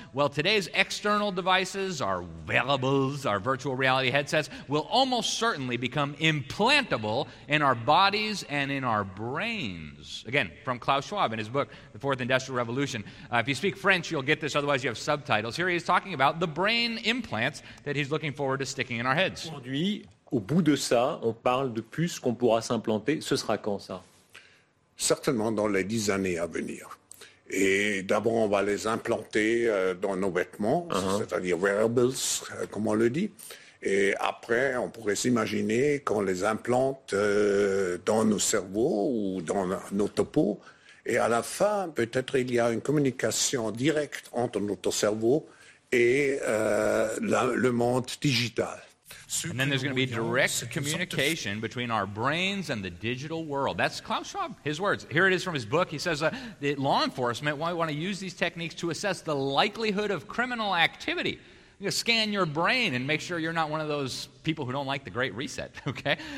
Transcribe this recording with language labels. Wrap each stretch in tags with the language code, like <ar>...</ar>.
<en>Well, today's external devices, our wearables, our virtual reality headsets, will almost certainly become implantable in our bodies and in our brains. Again, from Klaus Schwab in his book, The Fourth Industrial Revolution. If you speak French, you'll get this. Otherwise, you have subtitles. Here he is talking about the brain implants that he's looking forward to sticking in our heads.</en> <fr>Aujourd'hui, au bout de ça, on parle de puces qu'on pourra s'implanter. Ce sera quand ça? Certainement dans les 10 années à venir. Et d'abord, on va les implanter dans nos vêtements, uh-huh. C'est-à-dire wearables, comme on le dit. Et après, on pourrait s'imaginer qu'on les implante dans nos cerveaux ou dans nos topos. Et à la fin, peut-être il y a une communication directe entre notre cerveau et le monde digital.</fr> <en>And then there's going to be direct communication between our brains and the digital world. That's Klaus Schwab, his words. Here it is from his book. He says that law enforcement might want to use these techniques to assess the likelihood of criminal activity. You scan your brain and make sure you're not one of those people who don't like the Great Reset, okay?</en>